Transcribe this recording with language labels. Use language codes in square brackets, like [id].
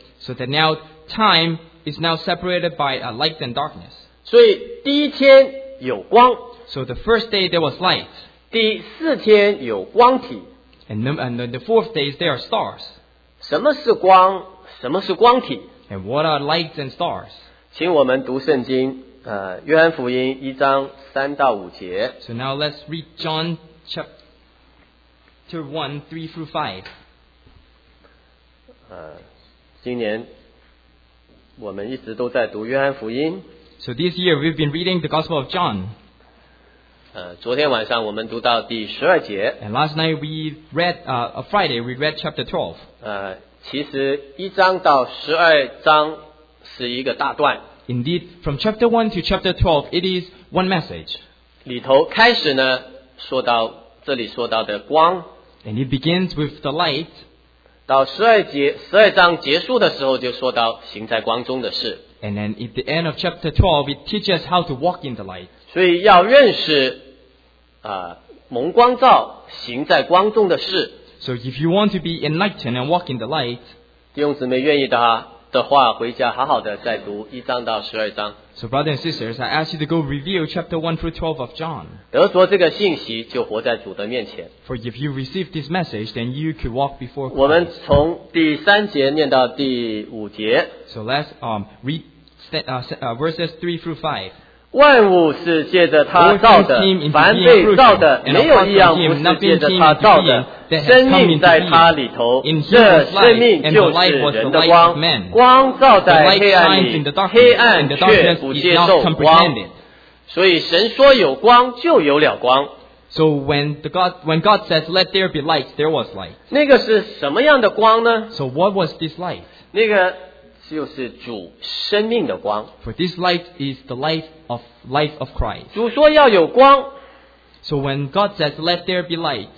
[en] So that now time is now separated by a light and darkness. [zh] 所以第一天有光。 [en] So the first day there was light. [zh] 第四天有光体。 [en] And then the fourth day there are stars. [zh] 什么是光？什么是光体？ [en] And what are lights and stars? [zh] 请我们读圣经，约翰福音一章三到五节。 [en] So now let's read John chapter 1:3-5. [zh] 今年我们一直都在读约翰福音。 [en] So this year we've been reading the Gospel of John. [zh] 昨天晚上我们读到第十二节。 [en] And last night we read, Friday we read chapter 12. [zh] 其实一章到十二章是一个大段。 [en] Indeed, from chapter 1 to chapter 12, it is one message. [zh] 里头开始呢，说到这里说到的光。 [en] And it begins with the light. [zh] 到十二节十二章结束的时候就说到行在光中的事。 [en] And then at the end of chapter 12, it teaches how to walk in the light. [zh] 所以要认识蒙光照行在光中的事。 [en] So if you want to be enlightened and walk in the light, [zh] 弟兄姊妹愿意的话回家好好的再读一章到十二章。 [en] So brothers and sisters, I ask you to go review chapter 1 through 12 of John. [zh] 得着这个信息就活在主的面前。 [en] For if you receive this message, then you could walk before Christ. [zh] 我们从第三节念到第五节。 [en] So let's read verses 3 through 5. [zh] 万物是借着他造的，凡被造的没有一样不是借着他造的。生命在他里头，这生命就是人的光。光照在黑暗里，黑暗却不接受光。所以神说有光，就有了光。 [en] So when God says let there be light, there was light. [zh] 那个是什么样的光呢？ [en] So what was this light? [zh] 那个就是主生命的光。 [en] For this light is the life of Christ. [zh] 主说要有光。 [en] So when God says, let there be light,